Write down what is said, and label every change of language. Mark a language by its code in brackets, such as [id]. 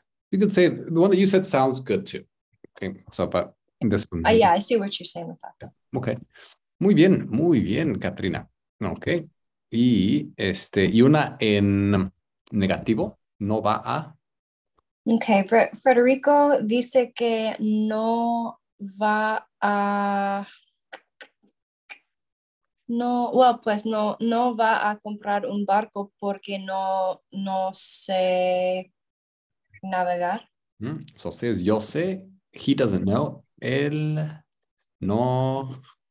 [en] You could say the one that you said sounds good too. Okay. So, but. This one. Yeah, I see what you're saying with that. Though. Okay. [es] Muy bien, [en] Katrina. Okay. [es] Y este, y una en negativo, no va a. Okay, Federico dice que no va a. No, well, pues no, no va a comprar un barco porque no, no sé navegar. Mm. [en] So says [es] yo sé, [en] he doesn't know, [es] él no.